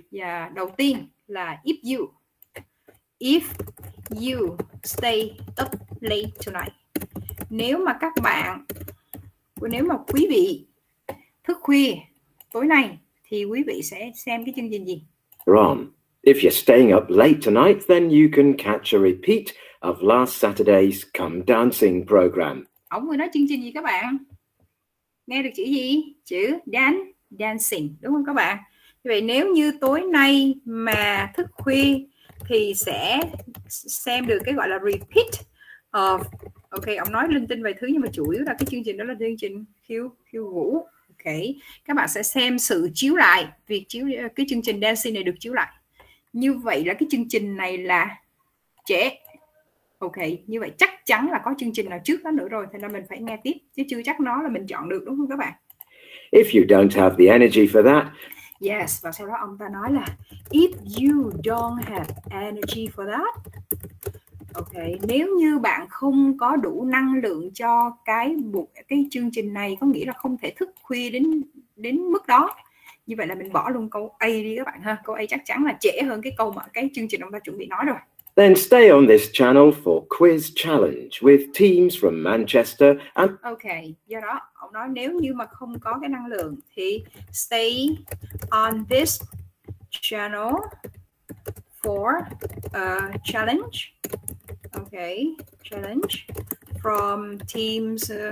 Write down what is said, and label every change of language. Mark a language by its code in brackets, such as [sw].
[en] Yeah, [vi] đầu tiên là [en] if you stay up late tonight. [vi] Nếu mà quý vị thức khuya tối nay thì quý vị sẽ xem cái chương trình gì? [en] Ron, if you're staying up late tonight, then you can catch a repeat of last Saturday's Come Dancing program. [vi] Ông vừa nói chương trình gì các bạn? Nghe được chữ gì? Chữ dancing, đúng không các bạn? Vậy nếu như tối nay mà thức khuya thì sẽ xem được cái gọi là repeat of. Ok, ông nói linh tinh vài thứ nhưng mà chủ yếu là cái chương trình đó là chương trình khiêu vũ. Okay. Các bạn sẽ xem sự chiếu lại, việc chiếu cái chương trình dancing này được chiếu lại. Như vậy là cái chương trình này là trễ. Ok, như vậy chắc chắn là có chương trình nào trước đó nữa rồi, thế nên mình phải nghe tiếp chứ chưa chắc nó là mình chọn được, đúng không các bạn? [en] If you don't have the energy for that. Yes, [vi] và sau đó ông ta nói là [en] if you don't have energy for that. [vi] Ok, nếu như bạn không có đủ năng lượng cho cái chương trình này, có nghĩa là không thể thức khuya đến mức đó. Như vậy là mình bỏ luôn câu A đi các bạn ha. Câu A chắc chắn là trễ hơn cái câu mà cái chương trình ông ta chuẩn bị nói rồi. [en] Then stay on this channel for quiz challenge with teams from Manchester and... [vi] Ok, do đó ông nói nếu như mà không có cái năng lượng thì [en] stay on this channel for a challenge. Okay, challenge from teams